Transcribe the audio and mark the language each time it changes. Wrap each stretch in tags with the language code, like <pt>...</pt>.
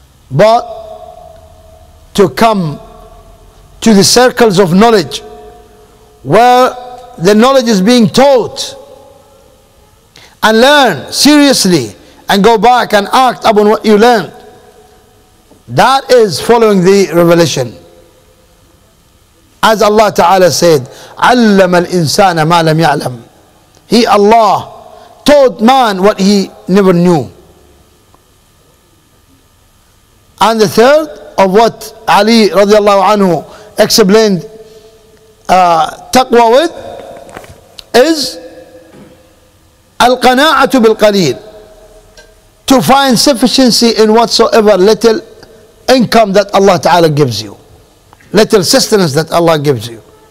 <en>But to come to the circles of knowledge where the knowledge is being taught, and learn seriously, and go back and act upon what you learned. That is following the revelation.</en> <ar>As Allah Ta'ala said, عَلَّمَ الْإِنسَانَ مَا لَمْ يَعْلَمْ.</ar> <en>He, Allah, taught man what he never knew. And the third of what Ali radiallahu anhu explained taqwa with is al-qana'atu bil-qaleel, to find sufficiency in whatsoever little income that Allah Ta'ala gives you, little sustenance that Allah gives you.</en>